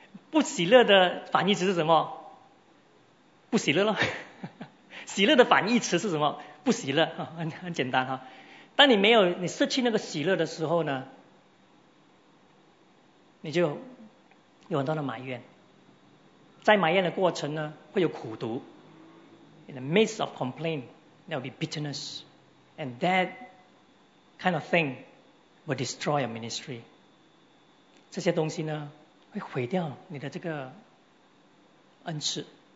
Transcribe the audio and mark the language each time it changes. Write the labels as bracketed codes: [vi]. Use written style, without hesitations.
[zh] 不喜乐的反义词是什么?不喜乐咯。喜乐的反义词是什么?不喜乐, 很简单。当你没有失去那个喜乐的时候呢, 你就有很多的埋怨。在埋怨的过程呢, 会有苦读。 [en] In the midst of complaint, there will be bitterness. And that kind of thing will destroy your ministry. [zh] 这些东西呢, 会毁掉你的这个恩赐。